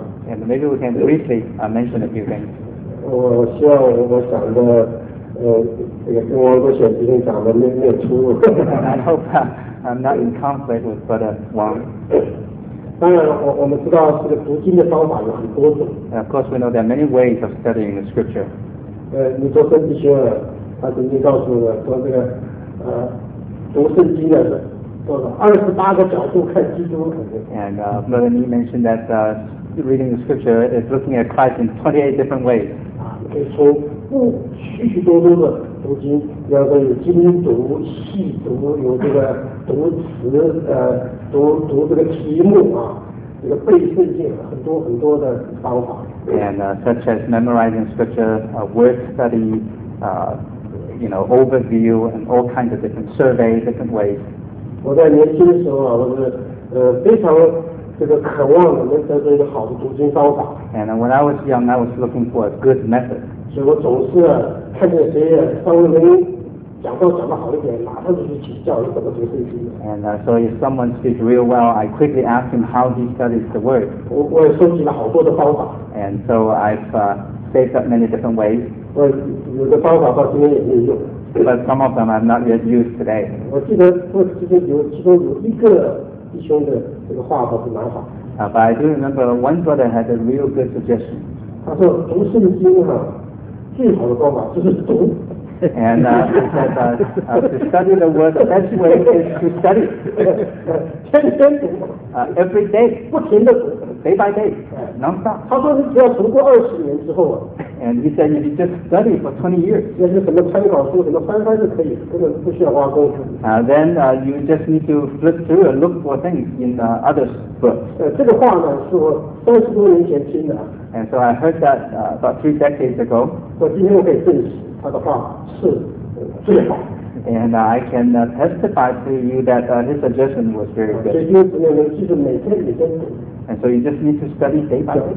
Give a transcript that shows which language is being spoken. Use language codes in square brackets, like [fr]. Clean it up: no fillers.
[en] And maybe we can briefly mention a few things. [zh] 我希望我讲的跟王国选弟兄讲的没有出入。 [en] I hope I'm not in conflict with Brother Wang. [zh] 当然了，我们知道这个读经的方法有很多种。 [en] Of course, we know there are many ways of studying the scripture. [zh] 你做圣经学了，他曾经告诉我说这个。读圣经的人，多少28个角度看基督。 [en] And Brother Ni mentioned that reading the scripture is looking at Christ in 28 different ways. [zh] 可以从许许多多的读经，比方说有精读、细读，有这个读词，读这个题目啊，这个背圣经，很多很多的方法。 [en] And such as memorizing scripture, word study, you know, overview and all kinds of different survey, different ways. [zh] 我在年轻的时候啊，我是非常这个渴望能得到一个好的读经方法。 [en] And when I was young, I was looking for a good method. [zh] 所以我总是看见谁稍微能讲到好一点，马上就去请教怎么读圣经。 [en] And so if someone speaks real well, I quickly ask him how he studies the word. [zh] 我也收集了好多的方法。 [en] And so I've saved up many different ways. [zh] 有的方法到今天也没有用 [en] but some of them I'm not yet used today [zh] 我记得其中有一个弟兄的这个话倒是蛮好。 [en] But I do remember one brother had a real good suggestion. [zh] 他说读圣经啊，最好的方法就是读。 [en] And to study the word, the best way is to study. [zh] 天天读。 [en] Every day. [zh] 不停的读。 [en] Day by day, non-stop. [zh] 他说你只要读过20年之后啊。 [en] And he said if you just study for 20 years. [zh] 那是什么参考书，什么翻翻就可以，根本不需要花功夫。 [en] Then you just need to flip through and look for things in other books. [zh] 这个话呢是我30多年前听的。 [en] And so I heard that about 3 decades ago. [zh] 我今天我可以证实他的话是最好。 [en] And I can testify to you that his suggestion was very good. [zh] 所以就是每天每天读。 [en] And so you just need to study day by day.